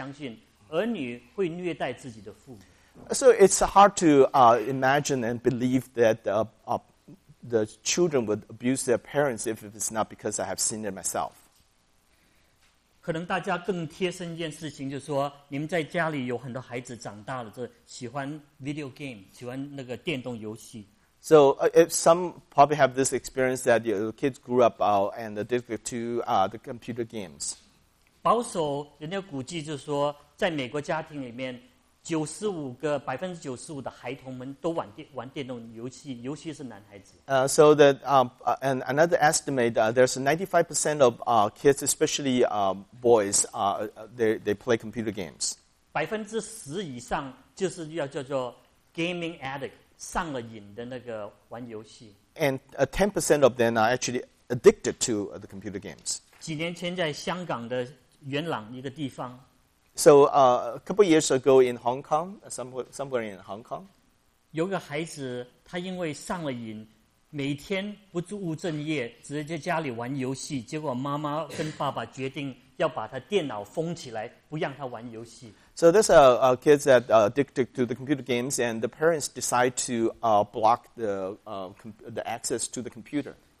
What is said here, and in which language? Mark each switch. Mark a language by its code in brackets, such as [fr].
[zh] 然后呢，就刚刚讲到，在美国，我如果不是亲眼见到的话，我不敢相信儿女会虐待自己的父母。 [en] So it's hard to imagine and believe that the children would abuse their parents if it's not because I have seen it myself. [zh] 可能大家更贴身一件事情，就是说你们在家里有很多孩子长大了，就喜欢 video game， 喜欢那个电动游戏。 [en] So if some probably have this experience that your kids grew up and addicted to the computer games. [zh] 保守人家估计就是说，在美国家庭里面， 95%的孩童们都玩电动游戏，尤其是男孩子。 [en] So another estimate, there's 95% of kids, especially boys, they play computer games. [zh] 10%以上就是要叫做 gaming addict, 上了瘾的那个玩游戏。 [en] And 10% of them are actually addicted to the computer games. [zh] 几年前在香港的元朗一个地方。 [en] So a couple years ago in Hong Kong, somewhere in Hong Kong, [zh] 有个孩子，他因为上了瘾，每天不务正业，直接在家里玩游戏。结果妈妈跟爸爸决定要把他电脑封起来，不让他玩游戏。So [en] there's a kid that addicted to the computer games, and the parents decide to block the access to the computer.